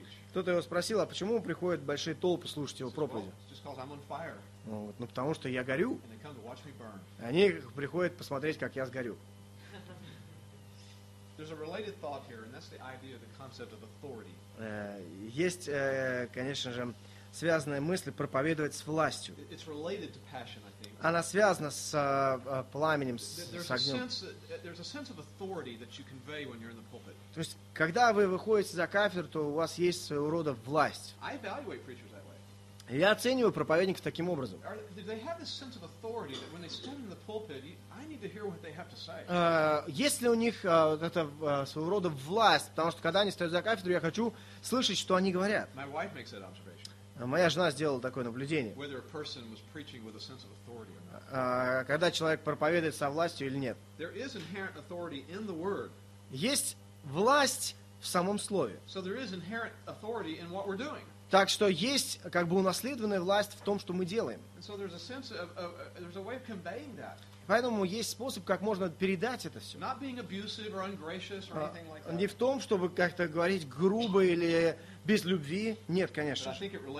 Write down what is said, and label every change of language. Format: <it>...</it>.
<ru>Кто-то его спросил, а почему приходят большие толпы слушать его проповеди? Ну, потому что я горю. Они приходят посмотреть, как я сгорю.</ru> <en>There's a related thought here, and that's the idea of the concept of authority.</en> <ru>Есть, конечно же, связанная мысль проповедовать с властью.</ru> <en>It's related to passion, I think.</en> <ru>Она связана с пламенем, с огнем.</ru> <en>There's a sense of authority that you convey when you're in the pulpit.</en> <ru>То есть, когда вы выходите за кафедру, то у вас есть своего рода власть.</ru> <en>I evaluate preachers that way.</en> <ru>Я оцениваю проповедников таким образом.</ru> <en>Do they have this sense of authority that when they stand in the pulpit, I need to hear what they have to say.</en> <ru>Есть ли у них своего рода власть, потому что когда они стоят за кафедрой, я хочу слышать, что они говорят.</ru> <en>My wife makes that observation.</en> <ru>Моя жена сделала такое наблюдение.</ru> <en>Whether a person was preaching with a sense of authority or not.</en> <ru>Когда человек проповедует со властью или нет.</ru> <en>There is inherent authority in the word.</en> <ru>Есть власть в самом слове.</ru> <en>So there is inherent authority in what we're doing.</en> <ru>Так что есть как бы унаследованная власть в том, что мы делаем.</ru> <en>And so there's a sense of there's a way of conveying that.</en> <ru>Поэтому есть способ, как можно передать это все.</ru> <en>Not being abusive or ungracious or anything like that.</en> <ru>Не в том, чтобы как-то говорить грубо или Без любви? Нет, конечно же.</ru>